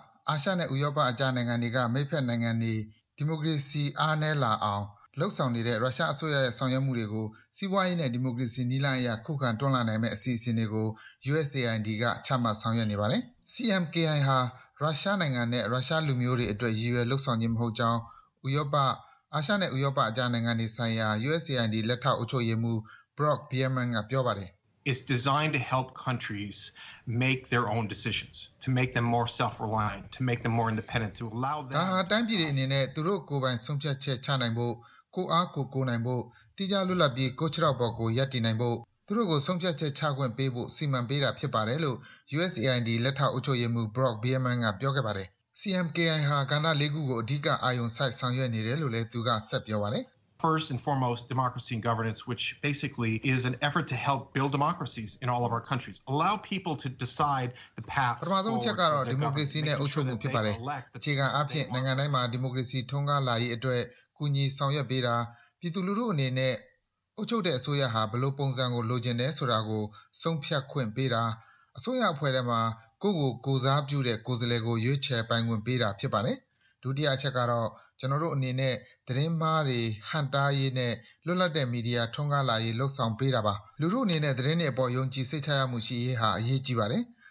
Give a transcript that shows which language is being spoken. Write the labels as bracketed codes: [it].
[my] အာရှနဲ့ဥရောပအကြနိုင်ငံတွေကမိဖက်နိုင်ငံတွေဒီမိုကရေစီအားနည်းလာအောင်လှုပ်ဆောင်နေတဲ့ရုရှားအစိုးရရဲ့ဆောင်ရွက်မှုတွေကိုစီးပွားရေးနဲ့ဒီမိုကရေစီနည်းလမ်းအရခုခံတွန်းလှန်နိုင်မဲ့အစီအစဉ်တွေကို USAID ကချမှတ်ဆောင်ရွက်နေပါတယ်။ CMKI ဟာရုရှားနိုင်ငံနဲ့ရုရှားလူမျိုးတွေအတွက်ရည်ရွယ်လှုပ်ဆောင်ခြင်းမဟုတ်ကြောင်းဥရောပအာရှနဲ့ဥရောပအကြနိုင်ငံတွေဆိုင်ရာ USAID လက်ထောက်အုပ်ချုပ်ရေးမှူးBrock Bierman ကပြောပါတယ် [en] It's designed to help countries make their own decisions to make them more self-reliant to make them more independent to allow them [my] အတိုင်းပြည်တွေအနေနဲ့သူတို့ကိုယ်ပိုင်ဆုံးဖြတ်ချက်ချနိုင်ဖို့ကိုယ်အားကိုယ်ကိုနိုင်ဖို့တည်ကြလွတ်လပ်ပြီးကိုယ့်ခြေောက်ပေါ်ကိုယက်တည်နိုင်ဖို့သူတို့ကိုဆုံးဖြတ်ချက်ချခွင့်ပေးဖို့စီမံပေးတာဖြစ်ပါတယ်လို့ USAID လက်ထောက်အုပ်ချုပ်ရေးမှူး Brock Bierman ကပြောခဲ့ပါတယ် CMKI ဟာကဏ္ဍ၄ခုကိုအဓိကအာရုံစိုက်ဆောင်ရွက်နေတယ်လို့လည်းသူကဆက်ပြောပါတယ် [en] First and foremost, democracy and governance, which basically is an effort to help build democracies in all of our countries. Allow people to decide the path forward. [my] ပထမဆုံးအချက်ကတော့ democracy နဲ့အုပ်ချုပ်မှုဖြစ်ပါတယ်။အခြေခံအဖြစ်နိုင်ငံတိုင်းမှာ democracy ထွန်းကားလာရေးအတွက်ကူညီဆောင်ရွက်ပေးတာပြည်သူလူထုအနေနဲ့အုပ်ချုပ်တဲ့အစိုးရဟာဘယ်လိုပုံစံကိုလိုချင်တယ်ဆိုတာကိုဆုံးဖြတ်ခွင့်ပေးတာအစိုးရအဖွဲ့ထဲမှာကိုယ့်ကိုယ်ကိုစားပြုတဲ့ကိုယ်စားလှယ်ကိုရွေးချယ်ပိုင်ခွင့်ပေးတာဖြစ်ပါတယ်။ဒုတိယအချက်ကတော့ကျွန်တော်တို့အနေနဲ့သတင်းမားတွေဟန်တာရေးနဲ့လွတ်လပ်တဲ့မီဒီယာထွန်းကားလာရေးလှုပ်ဆောင်ပေးတာပါလူမှုအနေနဲ့သတင်းတွေအပေါ်ယုံကြည်စိတ်ချရမှုရှိရေးဟာအရေးကြီးပါတယ်